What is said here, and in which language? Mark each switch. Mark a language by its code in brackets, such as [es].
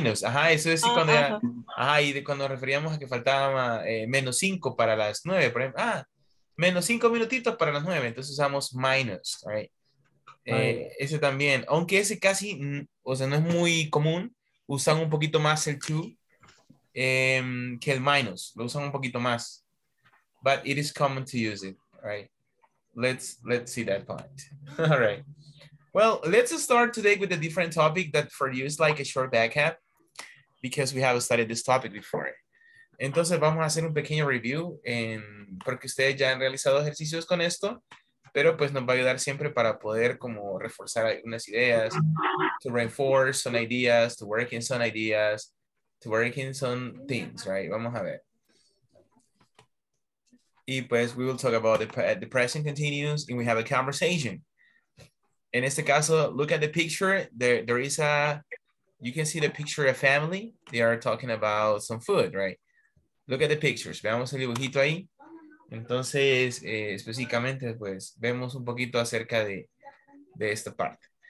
[es] Ajá, eso es cuando ya, ajá, y de cuando referíamos a que faltaba menos 5 para las 9, por ejemplo. Ah, menos 5 minutitos para las 9, entonces usamos minus, right? Ese también, aunque ese casi, o sea, no es muy común, usan un poquito más el 2. Que el minus, lo usan un poquito más. [en] But it is common to use it, right? Let's see that point. All right. Well, let's start today with a different topic that for you is like a short backup because we have studied this topic before. [es] Entonces vamos a hacer un pequeño review porque ustedes ya han realizado ejercicios con esto, pero pues nos va a ayudar siempre para poder como reforzar algunas ideas, [en] to reinforce some ideas, to work in some ideas, to work in some things, right? [es] Vamos a ver. Y pues, [en] we will talk about the present continuous and we have a conversation. [es] En este caso, [en] look at the picture. There is a, you can see the picture of family. They are talking about some food, right? Look at the pictures. [es] Veamos el dibujito ahí. Entonces, específicamente, pues, vemos un poquito acerca de esta parte.